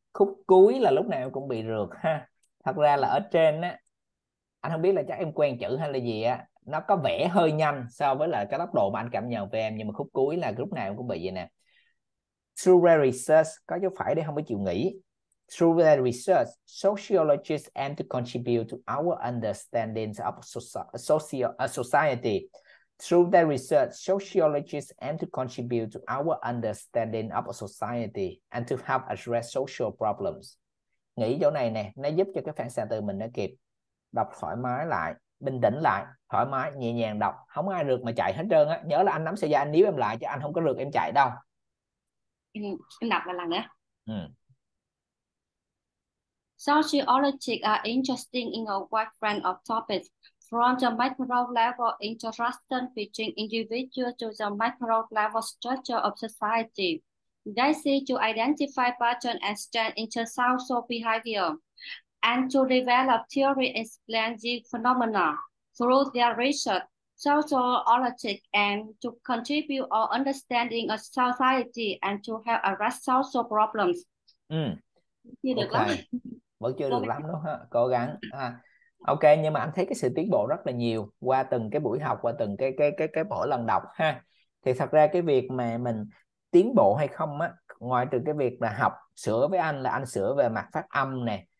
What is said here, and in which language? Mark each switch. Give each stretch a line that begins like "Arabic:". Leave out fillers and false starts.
Vietnamese: Khúc cuối là lúc nào cũng bị rượt ha. Thật ra là ở trên á, anh không biết là chắc em quen chữ hay là gì á, nó có vẻ hơi nhanh so với là cái tốc độ mà anh cảm nhận về em, nhưng mà khúc cuối là lúc nào cũng bị vậy nè.
English: Through their research,
Vietnamese: có dấu phải để không có chịu nghỉ.
English: Through their research, sociologists aim to contribute to our understanding of society. Through their research, sociologists aim to contribute to our understanding of society and to help address social problems.
Vietnamese: Nghĩ chỗ này nè, nó giúp cho cái phản xạ từ mình nó kịp. Đọc thoải mái lại, bình tĩnh lại, thoải mái, nhẹ nhàng đọc. Không ai rượt mà chạy hết trơn á. Nhớ là anh nắm sợi dây anh níu em lại, chứ anh không có rượt em chạy đâu. Em đọc lại lần nữa. Ừ.
English: Sociologists are interested in a wide range of topics, from the micro-level interaction between individuals to the micro-level structure of society. They seek to identify patterns and trends in social behavior and to develop theory and explain the phenomena. Through their research, sociologists aim to contribute our understanding of society and to help address social problems.
Vietnamese: Vẫn chưa được lắm đúng không? Cố gắng. Ok, nhưng mà anh thấy cái sự tiến bộ rất là nhiều qua từng cái buổi học, qua từng cái mỗi lần đọc ha. Thì thật ra cái việc mà mình tiến bộ hay không á, ngoài trừ cái việc là học sửa với anh là anh sửa về mặt phát âm nè.